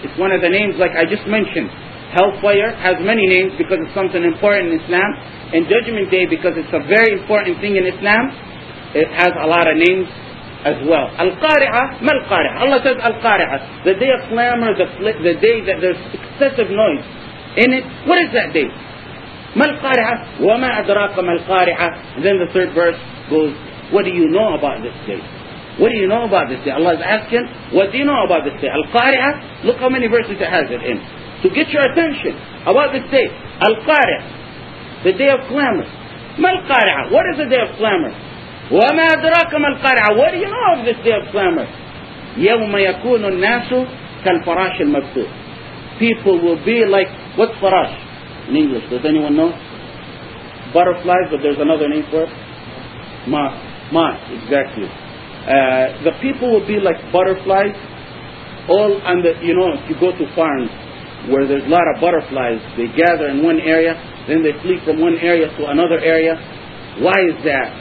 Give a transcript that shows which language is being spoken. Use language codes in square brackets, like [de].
[en] It's one of the names, like I just mentioned. Hellfire has many names because it's something important in Islam. And Judgment Day, because it's a very important thing in Islam, it has a lot of names as well. Al-Qari'ah, ma Al-Qari'ah? Allah says Al-Qari'ah. The day of clamor, the day that there's excessive noise in it. What is that day? [ar] ما القارعة وما أدراك ما القارعة. [en] And then the third verse goes, what do you know about this day? What do you know about this day? Allah is asking, what do you know about this day? القارعة, look how many verses it has it in. To get your attention about this day. القارعة, the day of clamor. [ar] ما القارعة, [en] what is the day of clamor? [ar] وما أدراك ما القارعة, [en] what do you know of this day of clamor? [ar] يوم يكون الناس كالفراش المبثوث. [en] People will be like What's farash in English? Does anyone know? Butterfly, but there's another name for it. Moth, exactly. The people will be like butterflies. All on the, you know, if you go to farms where there's a lot of butterflies, they gather in one area, then they flee from one area to another area. Why is that?